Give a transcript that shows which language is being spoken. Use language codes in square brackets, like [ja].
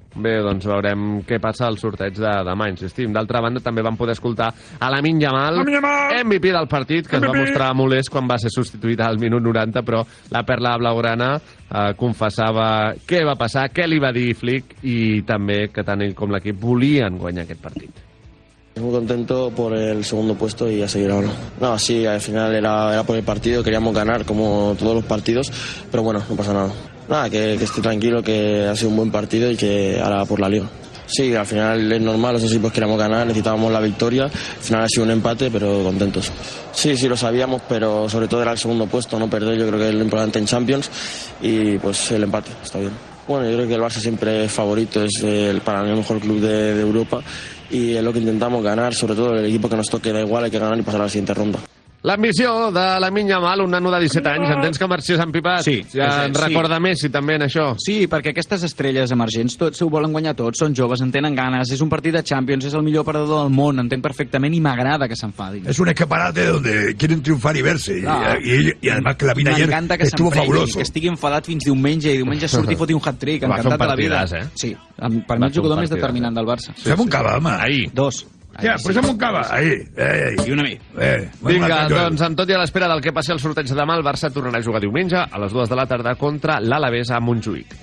[ca] Bé, doncs veurem què passa al sorteig de demà, insistim. D'altra banda, també vam poder escoltar a Lamine Yamal, MVP del partit, que es va mostrar molest quan va ser substituït al minut 90, però la perla blaugrana confessava què va passar, què li va dir Flick i també que tant ell com l'equip volien guanyar aquest partit. [es] Estoy muy contento por el segundo puesto y a seguir ahora. No, sí, al final era por el partido, queríamos ganar como todos los partidos, pero bueno, no pasa nada. Nada, que estoy tranquilo, que ha sido un buen partido y que ahora por la liga. Sí, al final es normal, los equipos queríamos ganar, necesitábamos la victoria. Al final ha sido un empate, pero contentos. Sí, lo sabíamos, pero sobre todo era el segundo puesto, no perder, yo creo que es lo importante en Champions. Y pues el empate, está bien. Bueno, yo creo que el Barça siempre es favorito, es para mí el mejor club de Europa. Y es lo que intentamos ganar, sobre todo el equipo que nos toque, da igual, hay que ganar y pasar a la siguiente ronda. [ca] L'ambició de la Minya Mal, un nano de 17 anys. Entens que Mercè s'ha empipat? Sí. Ja en recorda més, i també en això. Sí, perquè aquestes estrelles emergents, tots ho volen guanyar tots, són joves, en tenen ganes, és un partit de Champions, és el millor perdedor del món, entenc perfectament i m'agrada que s'enfadi. [es] És un escaparate donde quieren triunfar y verse. Y además que la vida ayer estuvo fabuloso. [ca] M'encanta que s'enfadi, que estigui enfadat fins diumenge, i diumenge surti i foti un hat-trick, encantat de la vida. Sí, per mi el jugador més determinant del Barça. Fem un cava, home. Ahir. Dos. Ja, sí, posem un cava. I una mi. Vinga, doncs, amb tot i a l'espera del que passi el sorteig de demà, el Barça tornarà a jugar diumenge a les 2 de la tarda contra l'Alavés a Montjuïc.